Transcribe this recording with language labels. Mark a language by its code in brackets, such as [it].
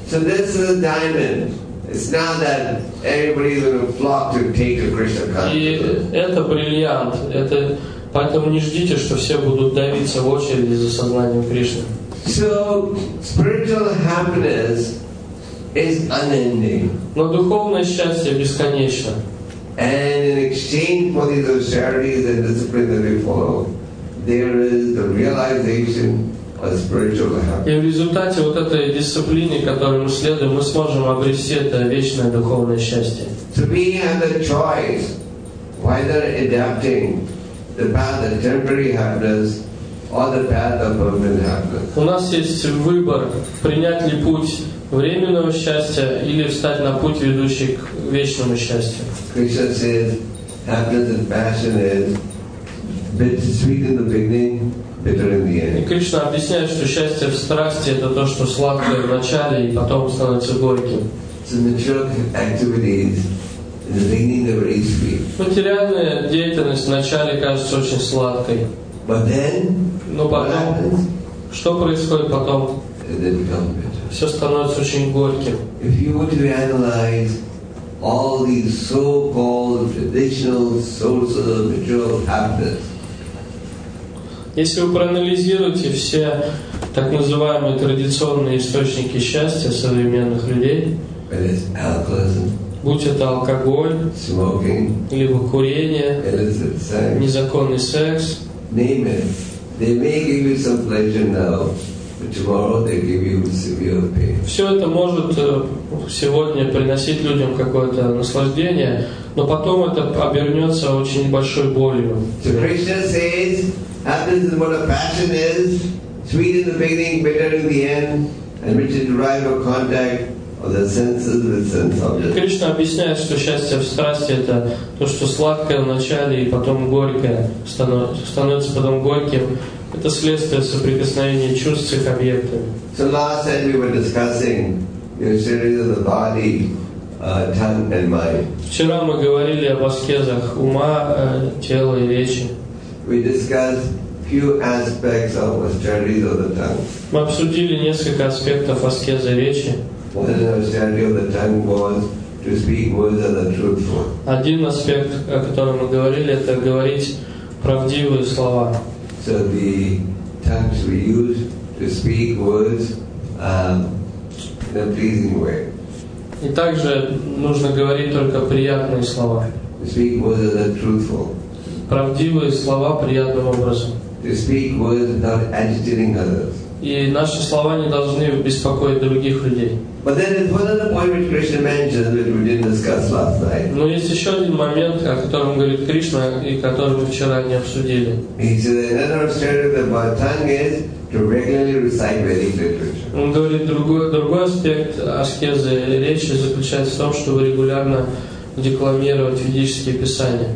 [en] So this is a diamond. It's not that everybody's going to flock to take the Krishna consciousness. [ru] И это бриллиант. Это поэтому не ждите, что все будут давиться в очереди за сознанием Кришны. [en] So spiritual happiness is unending. [ru] Но духовное счастье бесконечно. [en] And in exchange for these austerities and discipline that we follow, there is the realization of spiritual happiness. [ru] И в результате вот этой дисциплины, которую мы следуем, мы сможем обрести это вечное духовное счастье. [en] So we have the choice whether adapting the path of temporary happiness or the path of permanent happiness. [ru] У нас есть выбор, принять ли путь временного счастья или встать на путь, ведущий к вечному счастью. [en] Krishna says, happiness and passion is sweet in the beginning, bitter in the end. [ru] И Кришна объясняет, что счастье в страсти это то, что сладкое в начале и потом становится горьким. [en] So material activities in the beginning are very sweet. [ru] Материальная деятельность в начале кажется очень сладкой. [en] But then, [ru] но потом, что происходит потом? Все становится очень горьким. [en] If you were to analyze all these so-called traditional sources of material happiness, [ru] если вы проанализируете все так называемые традиционные источники счастья современных людей, [en] whether it's alcoholism, [ru] будь это алкоголь, [en] smoking, [ru] либо курение, [en] illicit sex, [ru] незаконный секс, [en] name it, they may give you some pleasure now. But tomorrow they give you severe pain. [ru] Все это может сегодня приносить людям какое-то наслаждение, но потом это обернется очень большой болью. [en] So Krishna says, happiness is what a passion is, sweet in the beginning, bitter in the end, and which is derived from contact of the senses with sense objects. [ru] Кришна объясняет, что счастье в страсти это то, что сладкое в начале и потом горькое становится потом горьким. Это следствие соприкосновения чувств с их объектами. [en] So last time we were discussing the series of the body, tongue and mind. [ru] Вчера мы говорили об аскезах ума, тела и речи. [en] We discussed few aspects of the series of the tongue. [ru] Мы обсудили несколько аспектов аскезы речи. [en] One of the series of the tongue was to speak words that are truthful. [ru] Один аспект, о котором мы говорили, это говорить правдивые слова. [en] So the tongues we use to speak words in a pleasing way. [ru] И также нужно говорить только приятные слова. [en] To speak words that are truthful. [ru] Правдивые слова приятным образом. [en] To speak words without agitating others. [ru] И наши слова не должны беспокоить других людей. [en] But then there's one other point which Krishna mentioned that we didn't discuss last night. [ru] Но есть еще один момент, о котором говорит Кришна и который мы вчера не обсудили. [en] Another aspect of the tongue is to regularly recite Vedic literature. [ru] Он говорит другой аспект аскезы речи заключается в том, чтобы регулярно декламировать ведические писания.